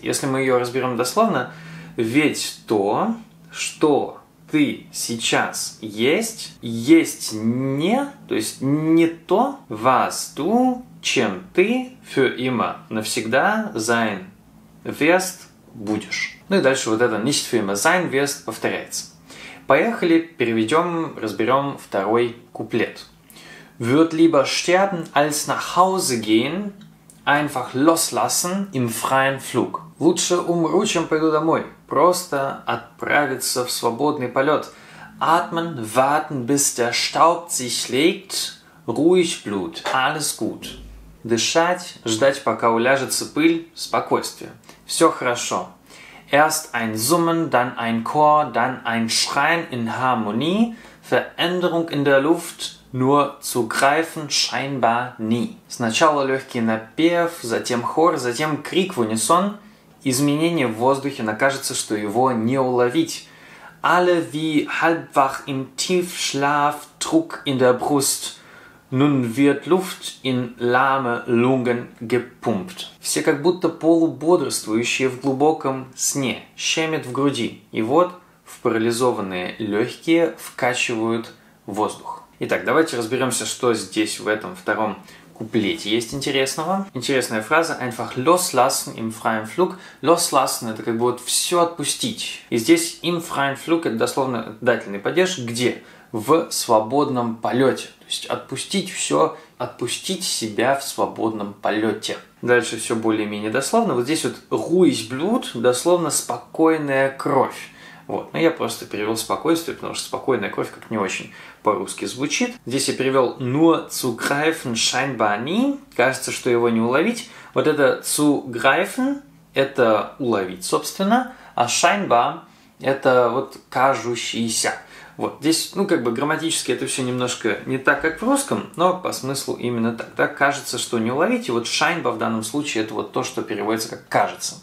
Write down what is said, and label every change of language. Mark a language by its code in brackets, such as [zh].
[ru] Если мы ее разберем дословно, ведь то, что ты сейчас есть, есть не, то есть не то, [de] was du, [ru] чем ты, [de] für immer, [ru] навсегда, [de] sein wirst, [ru] будешь. Ну и дальше вот это [de] nicht für immer sein wirst [ru] повторяется. Поехали, переведем, разберем 2-й куплет. [de] Wird lieber sterben, als nach Hause gehen, einfach loslassen im freien Flug. [ru] Лучше умру, чем пойду домой. Просто отправиться в свободный полет. [de] Atmen, warten, bis der Staub sich legt. Ruhig, Blut, alles gut. [ru] Дышать, ждать, пока уляжется пыль, спокойствие. Все хорошо. [de] Erst ein Summen, dann ein Chor, dann ein Schreien in Harmonie, Veränderung in der Luft, nur zu greifen scheinbar nie. [ru] Сначала легкий напев, затем хор, затем крик в унисон. Изменение в воздухе, но кажется, что его не уловить. [de] Alle wie halbwach im Tiefschlaf, Druck in der Brust. Nun wird Luft in lahme Lungen gepumpt. [ru] Все как будто полубодрствующие в глубоком сне, щемит в груди. И вот в парализованные легкие вкачивают воздух. Итак, давайте разберемся, что здесь в этом 2-м куплете есть интересного. Интересная фраза [de] «einfach loslassen im freien Flug». [ru] «Loslassen» – это как бы вот все отпустить. И здесь [de] «im freien Flug» [ru] – это дословно дательный падеж. Где? В свободном полете. То есть отпустить все, отпустить себя в свободном полете. Дальше все более-менее дословно. Вот здесь вот [de] «ruhig Blut» [ru] – дословно «спокойная кровь». Вот, но я просто перевел «спокойствие», потому что «спокойная кровь» как не очень по-русски звучит. Здесь я перевел [de] «nur zu greifen scheinbar nie». [ru] Кажется, что его не уловить. Вот это [de] «zu greifen» [ru] – это «уловить», собственно. А «scheinbar» – это вот «кажущийся». Вот, здесь, ну, как бы грамматически это все немножко не так, как в русском, но по смыслу именно так, да? Кажется, что не уловить. И вот «scheinbar» в данном случае – это вот то, что переводится как «кажется».